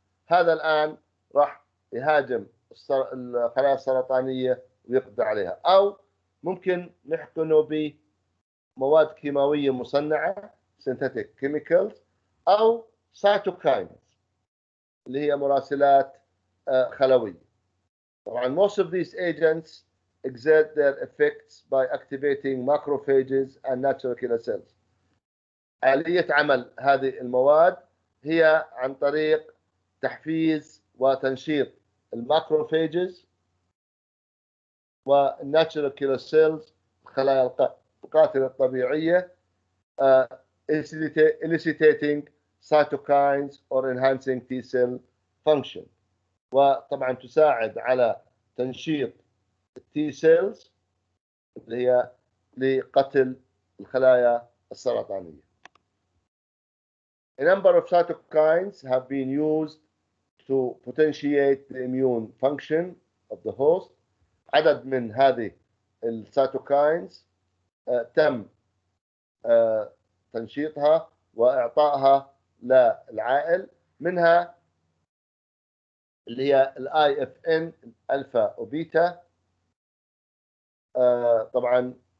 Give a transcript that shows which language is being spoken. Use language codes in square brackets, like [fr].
[ar] هذا الآن راح يهاجم الخلايا السرطانية ويقضي عليها. أو ممكن نحقنه بمواد كيماوية مصنعة [en] synthetic chemicals [ar] أو cytokines اللي هي مراسلات خلوية. [en] طبعاً most of these agents exert their effects by activating macrophages and natural killer cells. [ar] آلية عمل هذه المواد هي عن طريق تحفيز وتنشيط الماكروفاجز والناتشورال كيلر سيلز خلايا القاتلة الطبيعية [en] eliciting cytokines or enhancing T cell function. [ar] وطبعا تساعد على تنشيط T cells اللي هي لقتل الخلايا السرطانية. [en] A number of cytokines have been used to potentiate the immune function of the host. [ar] عدد من هذه السيتوكاينز تم تنشيطها وإعطائها للعائل، منها اللي هي الـ IFN الألفا وبيتا، طبعاً